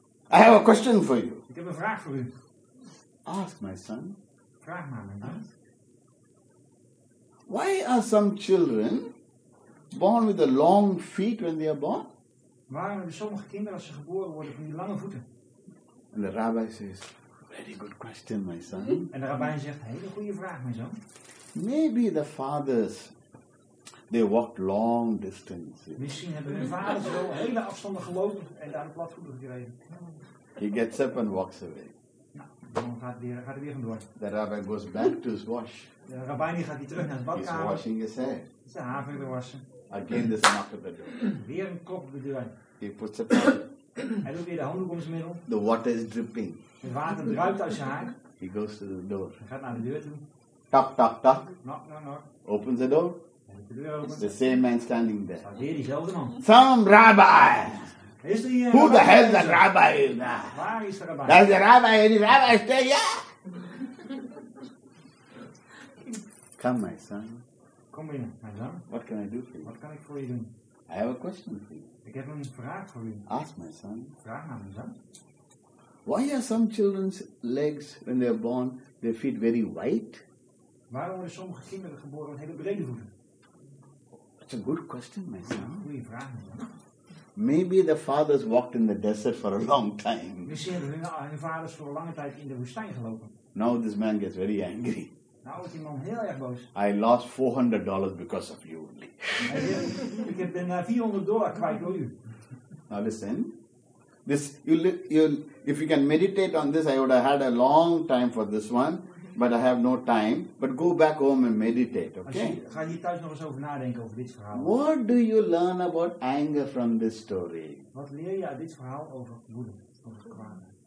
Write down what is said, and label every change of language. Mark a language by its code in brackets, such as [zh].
[en] I have a question for you. [nl] Ik heb een vraag voor u. [en] Ask my son. [nl] Vraag maar mijn zoon. [en] Why are some children born with the long feet when they are born? [nl] Waarom hebben sommige kinderen als ze geboren worden van die lange voeten? [en] And the rabbi says, very good question, my son. [nl] En de rabbijn zegt, hele goede vraag, mijn zoon. [en] Maybe the fathers, they walked long distances. [nl] Misschien hebben hun vaders wel hele afstanden gelopen en daar de platvoeten gekregen. [en] He gets up and walks away. [nl] Nou, dan gaat hij weer vandoor. [en] The rabbi goes back to his wash. [nl] De rabbijn gaat hier terug naar het badkamer. [en] He's washing his hair. [nl] Zijn haar verder wassen. [en] Again, this knock at the door. [nl] Weer een klop op de deur. [en] He puts a towel. [nl] Hij doet weer de handdoek om zijn middel. [en] The water is dripping. [nl] Het water druipt uit zijn haar. [en] He goes to the door. [nl] Hij gaat naar de deur toe. [en] Tap, tap, tap. Knock, knock, knock. Opens the door. It's the same man standing there. [nl] Hier diezelfde man. [en] Some rabbi. [nl] Is die, [en] who the hell is the rabbi is that? [nl] Waar is de rabbi? [en] Does the rabbi, any rabbi stay here? Come, my son. [nl] Kom binnen, mijn zoon. [en] What can I do for you? [nl] Wat kan ik voor je doen? [en] I have a question for you. [nl] Ik heb een vraag voor u. [en] Ask my son. [nl] Vraag naar mijn zoon. [en] Why are some children's legs, when they are born, their feet very white? [nl] Waarom worden sommige kinderen geboren met hele brede voeten? [en] It's a good question, my son. [nl] Goeie vraag, mijn zoon. [en] Maybe the fathers walked in the desert for a long time. [nl] Misschien hebben hun vaders voor een lange tijd in de woestijn gelopen. [en] Now this man gets very angry. [nl] Nou wordt die man heel erg boos. [en] I lost $400 because of you. [nl] Ik heb $400 kwijt door u. [en] Now listen. If you can meditate on this, I would have had a long time for this one. But I have no time. But go back home and meditate, okay? [nl] Ga hier thuis nog eens over nadenken over dit verhaal. [en] What do you learn about anger from this story? [nl] Wat leer je uit dit verhaal over woede, over kwaad?